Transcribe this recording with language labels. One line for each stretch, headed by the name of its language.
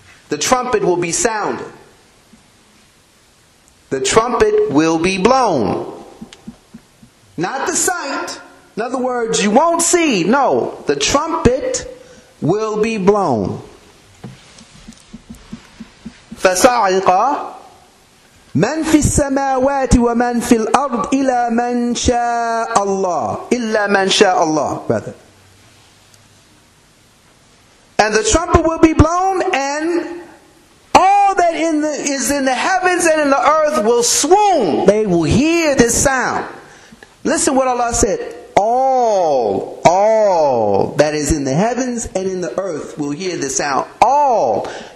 English: The trumpet will be sounded. The trumpet will be blown. Not the sight. In other words, you won't see. No, the trumpet will be blown.
Arabic: فَسَعِقَ مَنْ فِي السَّمَاوَاتِ وَمَنْ فِي الْأَرْضِ إِلَى مَنْ شَاءَ اللَّهِ إِلَّا مَنْ شَاءَ اللَّهِ
English: rather. And the trumpet will be blown, and all that is in the heavens and in the earth will swoon. They will hear this sound. Listen what Allah said. All that is in the heavens and in the earth will hear this sound. All.